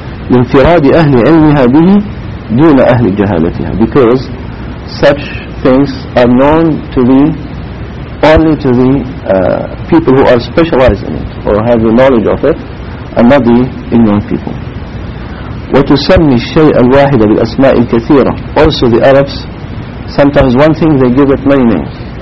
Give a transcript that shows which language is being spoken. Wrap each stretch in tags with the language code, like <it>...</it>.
<ar>لانفراد أهل علمها به دون أهل جهالتها.</ar> <en>Because such things are known to be only to the people who are specialized in it or have the knowledge of it, and not the ignorant people.</en> <ar>وتسمي الشيء الواحد بالأسماء الكثيرة.</ar> <en>Also the Arabs, sometimes one thing they give it many names.</en>